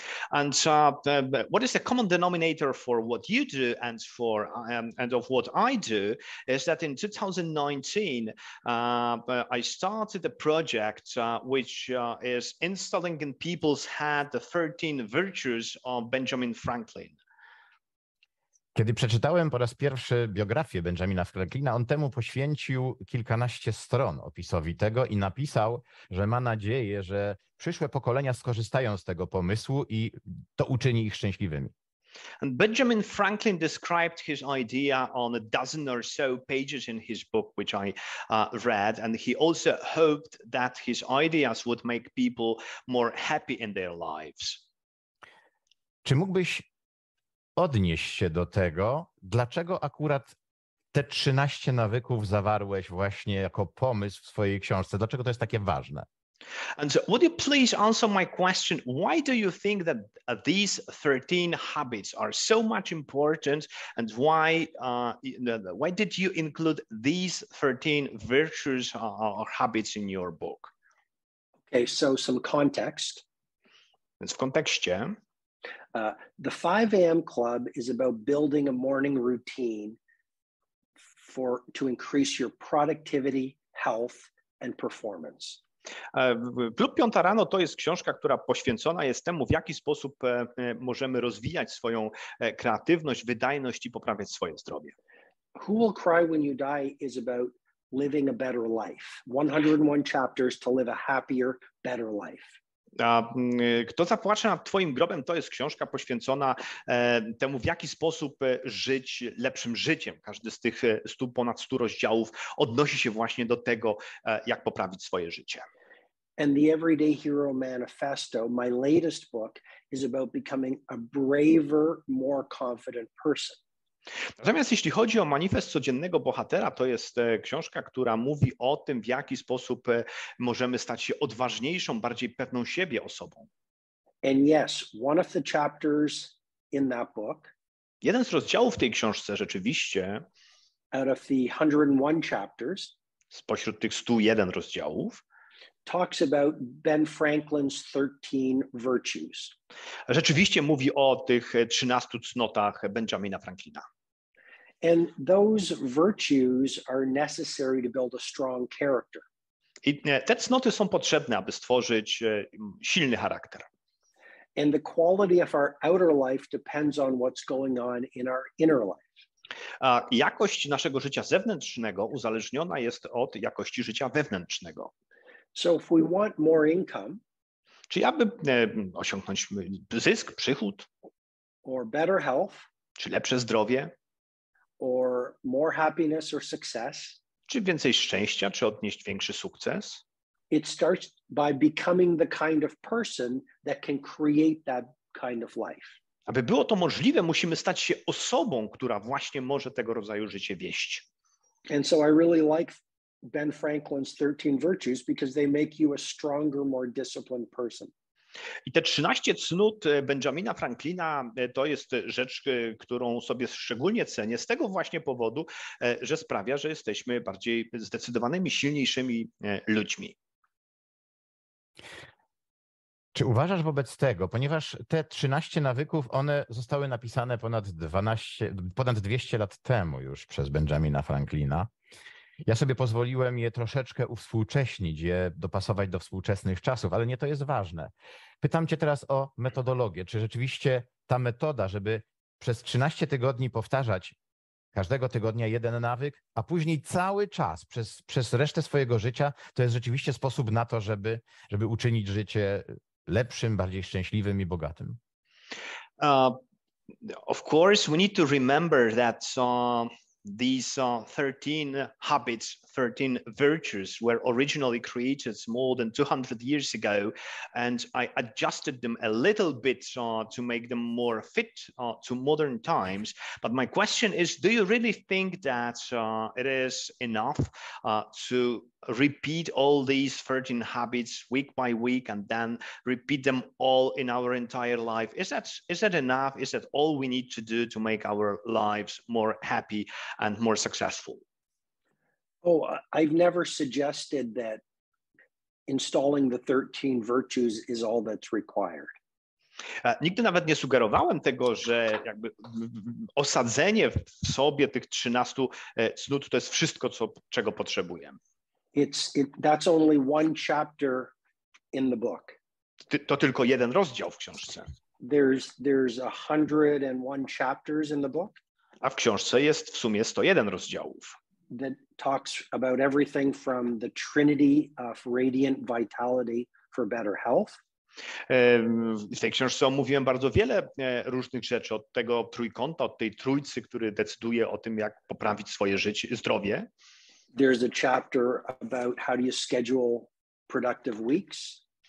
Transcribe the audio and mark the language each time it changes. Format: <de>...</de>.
<en>And what is the common denominator for what you do and for and of what I do is that in 2019 I started a project which is installing in people's head the 13 virtues of Benjamin Franklin.</en> <pl>Kiedy przeczytałem po raz pierwszy biografię Benjamina Franklina, on temu poświęcił kilkanaście stron opisowi tego i napisał, że ma nadzieję, że przyszłe pokolenia skorzystają z tego pomysłu i to uczyni ich szczęśliwymi.</pl> <en>And Benjamin Franklin described his idea on a dozen or so pages in his book, which I read, and he also hoped that his ideas would make people more happy in their lives.</en> <pl>Czy mógłbyś odnieść się do tego, dlaczego akurat te 13 nawyków zawarłeś właśnie jako pomysł w swojej książce? Dlaczego to jest takie ważne?</pl> <en>And so would you please answer my question? Why do you think that these 13 habits are so much important, and why did you include these 13 virtues or habits in your book? Okay, so some context. It's context, yeah. The 5 a.m. club is about building a morning routine to increase your productivity, health and performance.</en> <pl>Klub Piąta Rano to jest książka, która poświęcona jest temu, w jaki sposób możemy rozwijać swoją kreatywność, wydajność i poprawiać swoje zdrowie.</pl> <en>Who will cry when you die is about living a better life. 101 chapters to live a happier, better life.</en> <pl>Kto zapłacze nad twoim grobem, to jest książka poświęcona temu, w jaki sposób żyć lepszym życiem. Każdy z tych ponad 100 rozdziałów odnosi się właśnie do tego, jak poprawić swoje życie.</pl> <en>And the Everyday Hero Manifesto, my latest book, is about becoming a braver, more confident person.</en> <pl>Natomiast jeśli chodzi o manifest codziennego bohatera, to jest książka, która mówi o tym, w jaki sposób możemy stać się odważniejszą, bardziej pewną siebie osobą.</pl> <en>And yes, one of the chapters in that book,</en> <pl>jeden z rozdziałów w tej książce rzeczywiście,</pl> <en>out of the 101 chapters,</en> <pl>spośród tych 101 rozdziałów,</pl> <en>talks about Ben Franklin's 13 virtues.</en> <pl>Rzeczywiście mówi o tych 13 cnotach Benjamina Franklina.</pl> <en>And those virtues are necessary to build a strong character.</en> <pl>I te cnoty są potrzebne, aby stworzyć silny charakter.</pl> <en>And the quality of our outer life depends on what's going on in our inner life.</en> <pl>A jakość naszego życia zewnętrznego uzależniona jest od jakości życia wewnętrznego.</pl> <en>So if we want more income,</en> <pl>czy aby osiągnąć zysk, przychód,</pl> <en>or better health,</en> <pl>czy lepsze zdrowie,</pl> <en>or more happiness or success,</en> <pl>czy więcej szczęścia, czy odnieść większy sukces,</pl> <en>it starts by becoming the kind of person that can create that kind of life.</en> <pl>Aby było to możliwe, musimy stać się osobą, która właśnie może tego rodzaju życie wieść.</pl> <en>And so I really like Ben Franklin's 13 virtues because they make you a stronger, more disciplined person.</en> <pl>I te 13 cnót Benjamina Franklina to jest rzecz, którą sobie szczególnie cenię z tego właśnie powodu, że sprawia, że jesteśmy bardziej zdecydowanymi, silniejszymi ludźmi. Czy uważasz wobec tego, ponieważ te 13 nawyków, one zostały napisane ponad 200 lat temu już przez Benjamina Franklina? Ja sobie pozwoliłem je troszeczkę uwspółcześnić, je dopasować do współczesnych czasów, ale nie to jest ważne. Pytam cię teraz o metodologię. Czy rzeczywiście ta metoda, żeby przez 13 tygodni powtarzać każdego tygodnia jeden nawyk, a później cały czas przez resztę swojego życia, to jest rzeczywiście sposób na to, żeby uczynić życie lepszym, bardziej szczęśliwym i bogatym?</pl> <en>Of course, we need to remember that these 13 habits, 13 virtues were originally created more than 200 years ago, and I adjusted them a little bit to make them more fit to modern times. But my question is, do you really think that it is enough to repeat all these 13 habits week by week and then repeat them all in our entire life? Is that enough? Is that all we need to do to make our lives more happy and more successful? Oh, I've never suggested that installing the 13 virtues is all that's required.</en> <pl>Nigdy nawet nie sugerowałem tego, że jakby osadzenie w sobie tych 13 cnót to jest wszystko, czego potrzebujemy.</pl> <en>That's only one chapter in the book.</en> <pl>To tylko jeden rozdział w książce.</pl> <en>There's 101 chapters in the book.</en> <pl>A w książce jest w sumie 101 rozdziałów.</pl> <en>That talks about everything from the trinity of radiant vitality for better health.</en> <pl>W tej książce omówiłem bardzo wiele różnych rzeczy, od tego trójkąta, od tej trójcy, który decyduje o tym, jak poprawić swoje życie, zdrowie.</pl> <en>There's a chapter about how do you schedule productive weeks.</en>